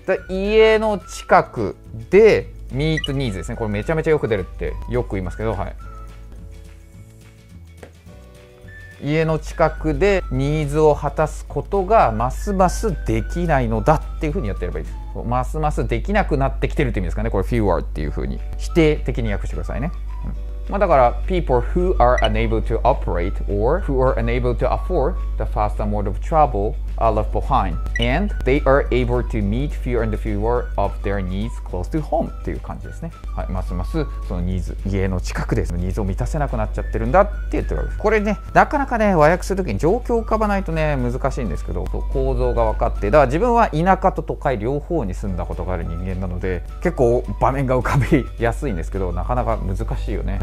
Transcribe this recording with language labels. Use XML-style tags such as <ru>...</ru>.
<ja>家の近くで</ja> <en>meet needs</en> <ja>ですね。これめちゃめちゃよく出るってよく言いますけど、はい、家の近くでニーズを果たすことがますますできないのだっていうふうにやってればいいです。ますますできなくなってきてるって意味ですかね。これ fewer っていうふうに否定的に訳してくださいね、うん。まあ、だから</ja> <en>people who are unable to operate or who are unable to afford the faster mode of travelare left behind and they are able to meet fewer and fewer of their needs close to home</en> <ja>っていう感じですね、はい。ますますそのニーズ、家の近くでそのニーズを満たせなくなっちゃってるんだって言ってるわけです。これね、なかなかね、和訳するときに状況を浮かばないとね難しいんですけど、そう、構造が分かって、だから自分は田舎と都会両方に住んだことがある人間なので、結構場面が浮かびやすいんですけど、なかなか難しいよね。</ja>